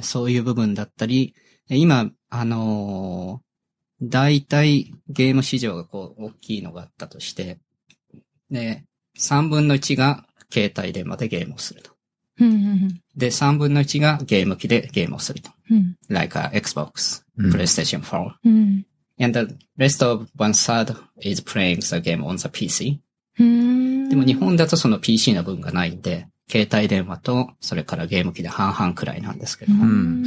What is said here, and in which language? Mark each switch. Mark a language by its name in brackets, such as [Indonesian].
[Japanese] そういう部分だったり、今、大体ゲーム市場がこう大きいのがあったとして、で、3分の1が携帯電話でゲームをすると。で、3分の1がゲーム機でゲームをすると。 [English] like Xbox, PlayStation 4. And the rest of one third is playing the game on the PC. [Japanese] でも日本だとその PC の分がないんで、携帯電話とそれからゲーム機で半々くらいなんですけども。